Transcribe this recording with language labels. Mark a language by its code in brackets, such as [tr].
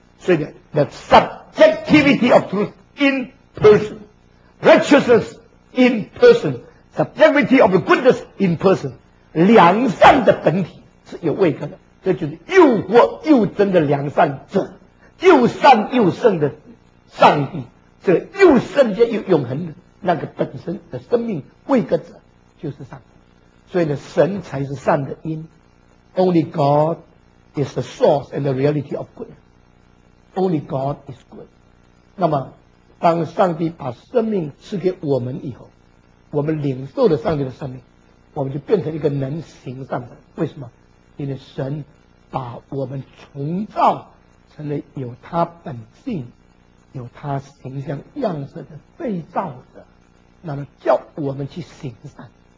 [zh] 所以 [en] the subjectivity of truth in person, righteousness in person, subjectivity of goodness in person, [zh] 良善的本体是有位格的。这就是又活又真的良善者，又善又圣的上帝，这又圣洁又永恒的那个本身的生命位格者就是上帝。所以呢，神才是善的因。 [en] Only God is the source and the reality of good. Only God is good. [zh] 那么当上帝把生命赐给我们以后，我们领受了上帝的生命，我们就变成一个能行善的。为什么？因为神把我们重造成了有他本性有他形象样式的被造者，那么叫我们去行善。